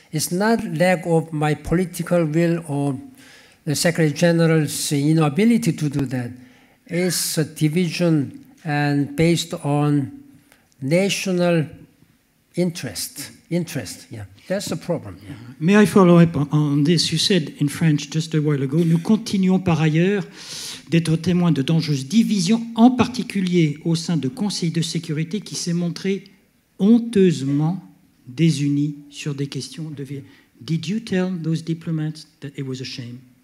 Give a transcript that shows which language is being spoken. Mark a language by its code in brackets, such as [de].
[en] It's not lack of my political will or the Secretary General's inability to do that. It's a division and based on national interest. Yeah. That's the problem. Yeah. May I follow up on this? You said in French just a while ago, [fr] nous continuons par ailleurs d'être témoins de dangereuses divisions, en particulier au sein de conseils de sécurité qui s'est montré honteusement désunis sur des questions de vie. [en] Did you tell those diplomats that it was a shame?